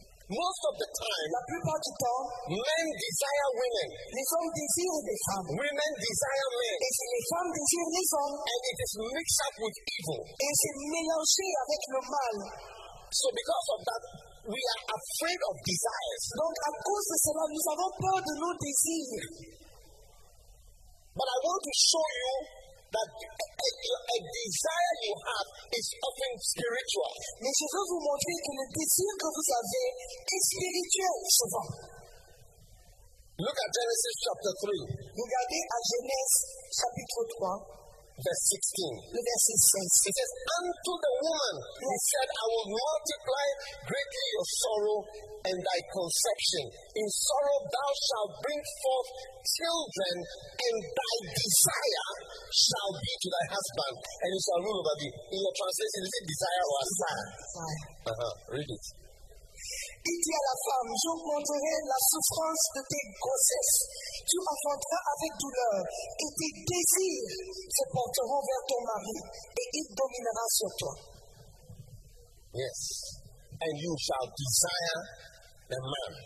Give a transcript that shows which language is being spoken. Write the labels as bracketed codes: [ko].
[en] Most of the time, [fr] la plupart du temps, [en] men desire women. [fr] Les hommes désirent des femmes. [en] Women desire men. [fr] Et les femmes désirent les hommes. [en] And it is mixed up with evil. [fr] Et c'est mélangé avec le mal. [en] So because of that, we are afraid of desires. [fr] Donc à cause de cela, nous avons peur de nos désirs. [en] But I want to show you that a desire you have is often spiritual. [fr] Mais je veux vous montrer que le désir que vous avez est spirituel souvent. [en] Look at Genesis chapter 3. [fr] Regardez à Genèse chapitre 3. [en] Verse 16. [fr] Le verset 16. [en] It says, unto the woman, he said, I will multiply greatly your sorrow and thy conception. In sorrow thou shalt bring forth children, and thy desire shall be to thy husband, and he shall rule over thee. In your translation, is it desire or aspire? Aspire. Uh-huh. Read it. [fr] Il dit à la femme, « J'augmenterai la souffrance de tes grossesses. Tu enfanteras avec douleur et tes désirs se porteront vers ton mari et il dominera sur toi. » [en] Yes. And you shall desire the man.